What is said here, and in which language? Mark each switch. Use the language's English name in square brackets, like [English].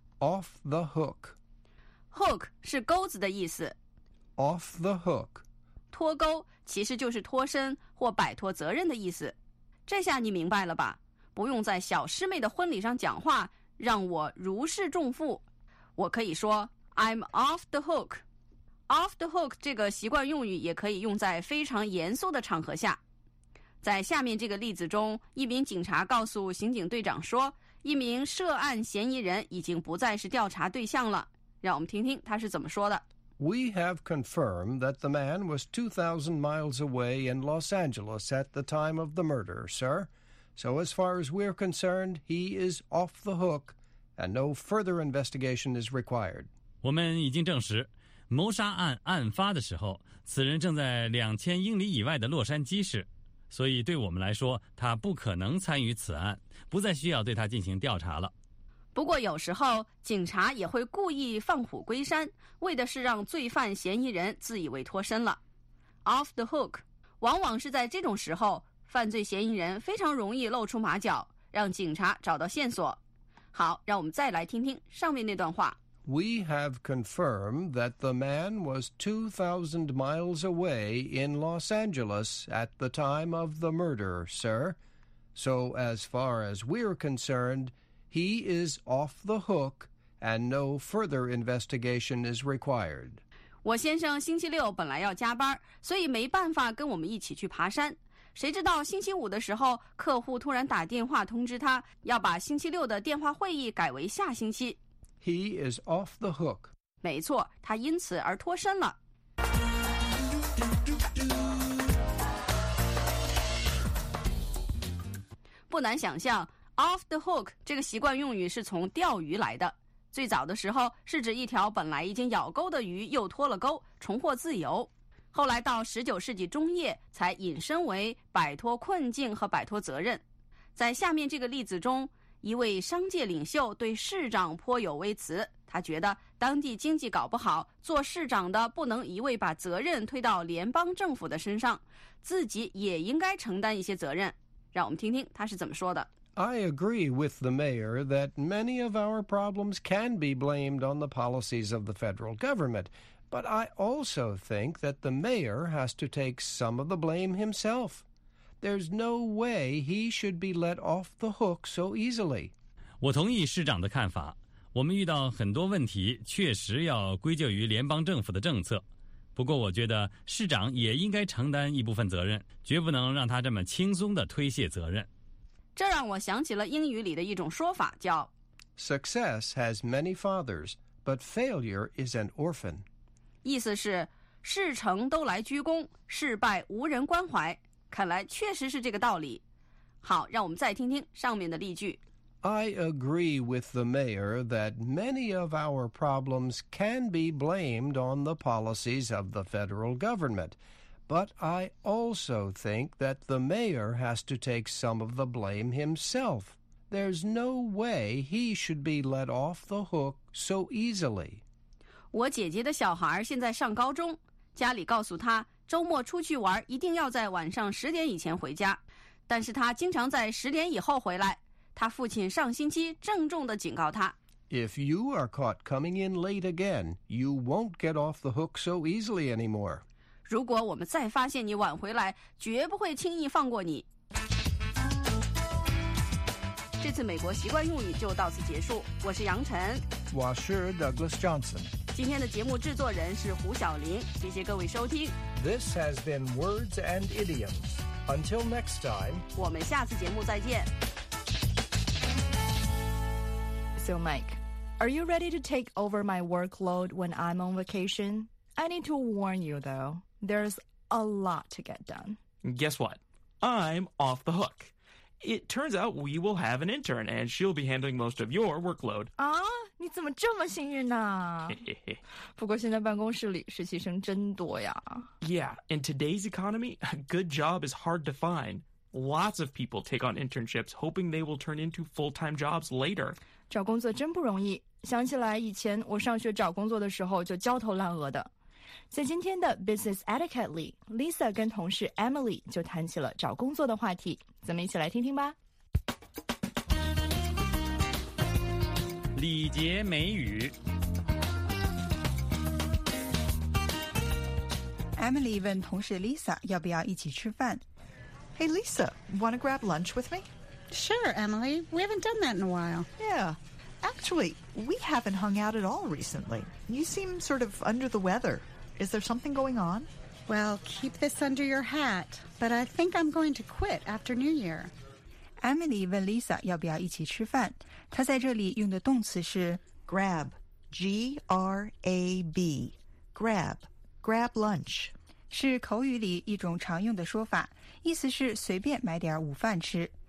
[English] Off the hook. [Chinese] Hook 是钩子的意思。 [English] Off the hook. [Chinese] 脱钩其实就是脱身或摆脱责任的意思，这下你明白了吧？不用在小师妹的婚礼上讲话，让我如释重负。我可以说 [English] I'm off the hook. [Chinese] Off the hook 这个习惯用语也可以用在非常严肃的场合下。在下面这个例子中，一名警察告诉刑警队长说，一名涉案嫌疑人已经不再是调查对象了。让我们听听他是怎么说的。 [English] We have confirmed that the man was 2,000 miles away in Los Angeles at the time of the murder, sir. So as far as we're concerned, he is off the hook, and no further investigation is required. [Chinese] 我们已经证实，谋杀案案发的时候，此人正在2000英里以外的洛杉矶市，所以对我们来说，他不可能参与此案，不再需要对他进行调查了。不过有时候警察也会故意放虎归山，为的是让罪犯嫌疑人自以为脱身了。 Off the hook 往往是在这种时候，犯罪嫌疑人非常容易露出马脚，让警察找到线索。好，让我们再来听听上面那段话。 [English] We have confirmed that the man was 2,000 miles away in Los Angeles at the time of the murder, sir. So as far as we're concernedHe is off the hook, and no further investigation is required. [Chinese] 我先生星期六本来要加班，所以没办法跟我们一起去爬山。谁知道星期五的时候，客户突然打电话通知他，要把星期六的电话会议改为下星期。 [English] He is off the hook. [Chinese] 没错，他因此而脱身了。不难想象Off the hook 这个习惯用语是从钓鱼来的，最早的时候是指一条本来已经咬钩的鱼又脱了钩，重获自由。后来到19世纪中叶才引申为摆脱困境和摆脱责任。在下面这个例子中，一位商界领袖对市长颇有微词，他觉得当地经济搞不好，做市长的不能一味把责任推到联邦政府的身上，自己也应该承担一些责任。让我们听听他是怎么说的。 [English] I agree with the mayor that many of our problems can be blamed on the policies of the federal government, but I also think that the mayor has to take some of the blame himself. There's no way he should be let off the hook so easily. [Chinese] 我同意市长的看法，我们遇到很多问题确实要归咎于联邦政府的政策，不过我觉得市长也应该承担一部分责任，绝不能让他这么轻松地推卸责任。这让我想起了英语里的一种说法，叫 [English] Success has many fathers, but failure is an orphan. [Chinese] 意思是事成都来鞠躬，事败无人关怀。看来确实是这个道理。好，让我们再听听上面的例句。 [English] I agree with the mayor that many of our problems can be blamed on the policies of the federal government. But I also think that the mayor has to take some of the blame himself. There's no way he should be let off the hook so easily. [Chinese] 我姐姐的小孩现在上高中，家里告诉她周末出去玩一定要在晚上十点以前回家，但是她经常在十点以后回来。她父亲上星期郑重地警告她。 [English] If you are caught coming in late again, you won't get off the hook so easily anymore. [Chinese] 如果我们再发现你晚回来，绝不会轻易放过你。这次美国习惯用语就到此结束，我是杨晨，我是 Douglas Johnson。今天的节目制作人是胡晓琳，谢谢各位收听。 [English] This has been Words and Idioms. Until next time, [Chinese] 我们下次节目再见。 [English] So Mike, are you ready to take over my workload when I'm on vacation? I need to warn you though, there's a lot to get done. Guess what? I'm off the hook. It turns out we will have an intern, and she'll be handling most of your workload. [Chinese] 啊，你怎么这么幸运呢？不过现在办公室里实习生真多呀。 [English] Yeah, in today's economy, a good job is hard to find. Lots of people take on internships, hoping they will turn into full-time jobs later. [Chinese] 找工作真不容易。想起来以前我上学找工作的时候就焦头烂额的。在今天的 Business Etiquette 里 ，Lisa 跟同事 Emily 就谈起了找工作的话题，咱们一起来听听吧。礼节美语。 Emily 问同事 Lisa 要不要一起吃饭。 [English] Hey Lisa, want to grab lunch with me? Sure, Emily. We haven't done that in a while. Yeah. Actually, we haven't hung out at all recently. You seem sort of under the weather. Is there something going on? Well, keep this under your hat, but I think I'm going to quit after New Year. [Chinese] Emily 问 Lisa 要不要一起吃饭。她在这里用的动词是 [English] grab, G-R-A-B, grab, grab lunch. [Chinese] 是口语里一种常用的说法，意思是随便买点午饭吃。